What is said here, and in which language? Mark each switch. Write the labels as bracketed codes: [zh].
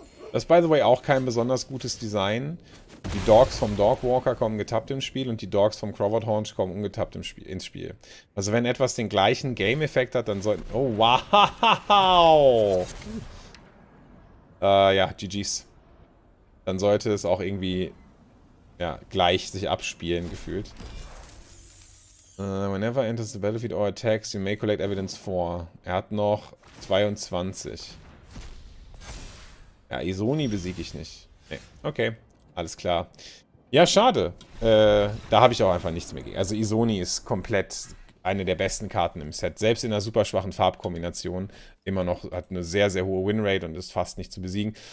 [de] Das ist, [en] by the way, [de] auch kein besonders gutes Design. Die Dogs vom Dog Walker kommen getappt ins Spiel und die Dogs vom Crawford Haunch kommen ungetappt ins Spiel. Also wenn etwas den gleichen Game-Effekt hat, dann sollten... Oh, wow! Ja, GG's. Dann sollte es auch irgendwie ja, gleich sich abspielen, gefühlt. [en] Whenever enters the battlefield or attacks, you may collect evidence for. [de] Er hat noch 22. Ja, Isoni besiege ich nicht. Nee. Okay, alles klar. Ja, schade. Da habe ich auch einfach nichts mehr gegen. Also Isoni ist komplett eine der besten Karten im Set. Selbst in einer super schwachen Farbkombination. Immer noch hat eine sehr, sehr hohe Winrate und ist fast nicht zu besiegen.